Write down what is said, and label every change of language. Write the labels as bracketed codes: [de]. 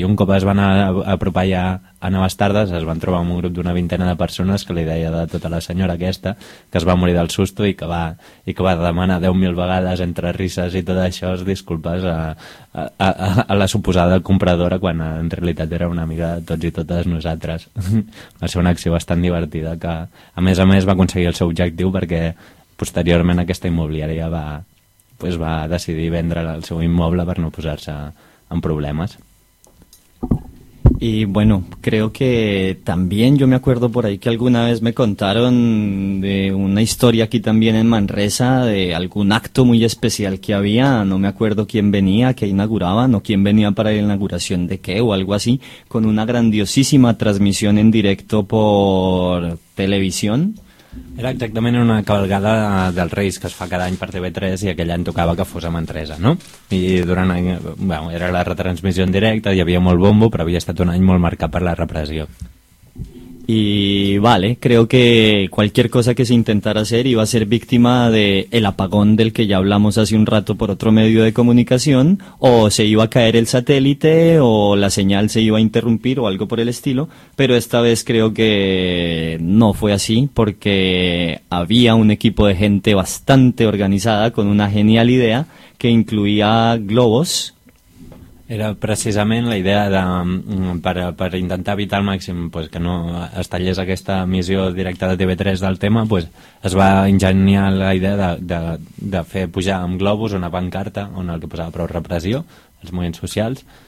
[ca] I un cop es van apropar ja a Noves Tardes, es van trobar amb un grup d'una vintena de persones que li deia de tota la senyora aquesta, que es va morir del susto i que va demanar 10.000 vegades entre risses i tot això, disculpes a la suposada compradora, quan en realitat era una amiga de tots i totes nosaltres. Va ser una acció bastant divertida que, a més va aconseguir el seu objectiu, perquè posteriorment aquesta immobiliària va decidir vendre el seu immoble per no posar-se en problemes. [es] Y bueno, creo que también yo me acuerdo por ahí que alguna vez me contaron de una historia aquí también en Manresa, de algún acto muy especial que había, no me acuerdo quién venía, qué inauguraban o quién venía para la inauguración de qué o algo así, con una grandiosísima transmisión en directo por televisión. [ca] Era exactament una cabalgada dels Reis que es fa cada any per TV3 i aquell any tocava que fos a Manresa, no? I durant any, bueno, era la retransmissió en directe, hi havia molt bombo, però havia estat un any molt marcat per la repressió. [es] Y vale, creo que cualquier cosa que se intentara hacer iba a ser víctima del apagón del que ya hablamos hace un rato por otro medio de comunicación, o se iba a caer el satélite, o la señal se iba a interrumpir, o algo por el estilo, pero esta vez creo que no fue así, porque había un equipo de gente bastante organizada con una genial idea que incluía globos. [ca] Era precisament la idea de, per intentar evitar al màxim pues, que no es tallés aquesta emissió directa de TV3 del tema, pues, es va enginyar la idea de fer pujar amb globus una pancarta on el que posava prou repressió, els moviments socials,